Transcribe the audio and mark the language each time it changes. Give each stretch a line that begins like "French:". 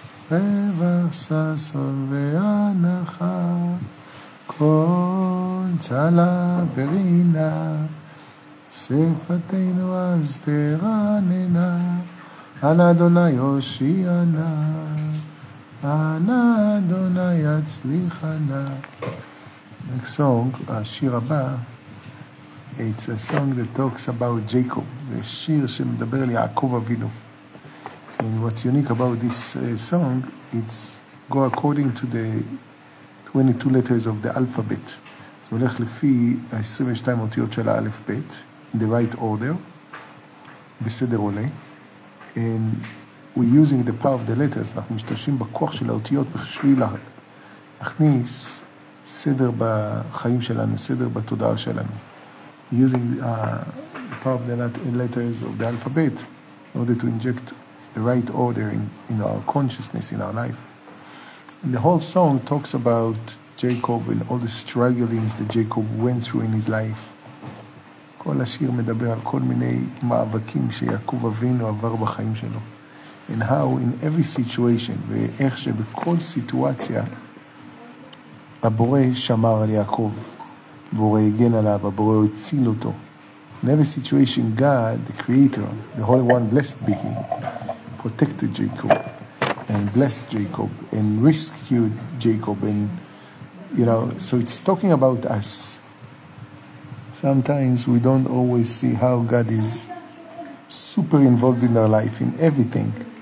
Hebrew: רווח ססון והנחה, כל צלה ורינה, שפתנו אז תרננה, על אדוני הושיע נא, על אדוני הצליח נא.
English: Next song,
Hebrew: השיר הבא,
English: it's a song that talks about Jacob.
Hebrew: זה שיר שמדבר על יעקב אבינו.
English: And what's unique about this song, it's go according to the 22 letters of the alphabet. So
Hebrew: הולך לפי ה-22 אותיות של האלף בית,
English: the right order,
Hebrew: בסדר עולה.
English: And we're using the power of the letters,
Hebrew: אנחנו משתמשים בכוח של האותיות בשביל להכניס סדר בחיים שלנו, סדר בתודעה שלנו.
English: Using the power of the letters of the alphabet in order to inject the right order in our consciousness, in our life. And the whole song talks about Jacob and all the strugglings that Jacob went through in his life.
Hebrew: כל השיר מדבר על כל מיני מאבקים שיעקב אבינו עבר בחיים שלו.
English: And how in every situation,
Hebrew: ואיך שבכל סיטואציה, הבורא שמר על יעקב, הבורא הגן עליו, הבורא הציל אותו.
English: In every situation, God, the creator, the Holy One, blessed be him, protected Jacob, and blessed Jacob, and rescued Jacob, and you know, so it's talking about us. Sometimes we don't always see how God is super involved in our life, in everything.